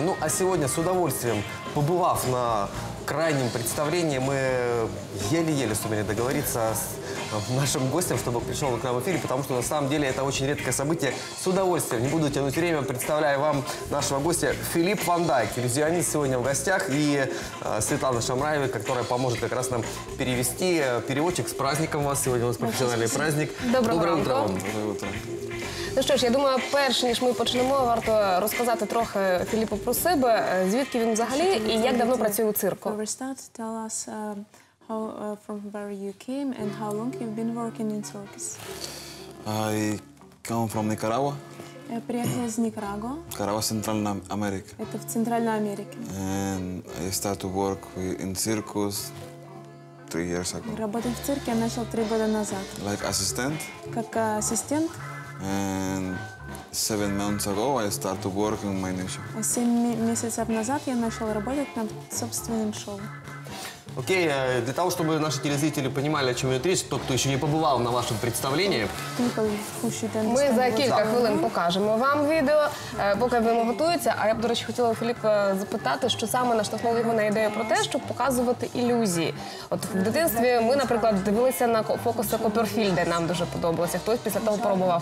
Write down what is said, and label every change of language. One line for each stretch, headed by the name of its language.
Russian: Ну, а сегодня с удовольствием, побывав на крайнем представлении, мы еле-еле сумели договориться с нашим гостем, чтобы пришел к нам в эфире, потому что на самом деле это очень редкое событие. С удовольствием, не буду тянуть время, представляю вам нашего гостя Филипп Ван Дайк, иллюзионист сегодня в гостях, и Светлана Шамраева, которая поможет как раз нам перевести переводчик. С праздником вас, сегодня у нас профессиональный праздник. Доброе утро вам. Доброе утро.
Ukrainian: Ну що ж, я думаю, перш ніж ми почнемо, варто розказати трохи Філіпу про себе, звідки він взагалі і як давно працює у цирку. Добре, старт,
English: tell us how from where you came and how long you've been working in circus. I come from Nicaragua.
Russian: Приехал из Никарагуа. Nicaragua, Центральная Америка. Это в Центральной Америке.
English: And I started work in circus 3 years ago.
Russian: Работал в цирке, я начал 3 года назад.
English: Like assistant.
Russian: Как ассистент.
English: And 7 months ago I started working my new show.
Russian: 7 месяцев назад я начал работать над собственным шоу. Окей, для того, чтобы наши телезрители понимали, о чем идет речь, тот, кто еще не побывал на вашем представлении.
Ukrainian: Мы за кілька хвилин покажемо вам відео, поки воно готується. А я б, до речі, хотіла Філіпа запитати, що саме наштовхнуло його на ідею про те, щоб показувати ілюзії. От в дитинстві ми, наприклад, дивилися на фокуси Копперфільда, нам дуже подобалося. Хтось після того пробував.